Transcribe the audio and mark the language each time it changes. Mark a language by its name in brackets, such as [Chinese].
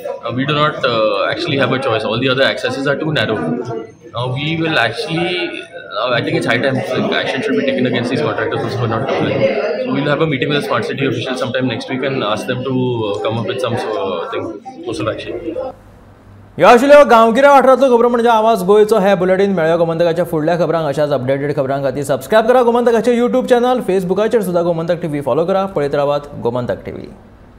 [English] Now we do not actually have a choice. All the other accesses are too narrow. Now we will actually, I think it's high time action should be taken against these contractors also for not complying. So we'll have a meeting with the smart city officials sometime next week and ask them to come up with some thing, social action. [Konkani] ह्यो आशिल्ल्यो गांवगिऱ्या वाठारांतल्यो खबरो म्हणजे आवाज गोंयचो. हे बुलेटीन मेळ्ळ्यो गोमंतकाच्या फुडल्या खबरांक. अशाच अपडेटेड खबरां खातीर सबस्क्राइब करा गोमंतकाचे यूट्यूब चॅनल, फेसबुकाचेर सुद्दां गोमंतक टीव्ही फॉलो करा. पळयत रावात गोमंतक टीव्ही.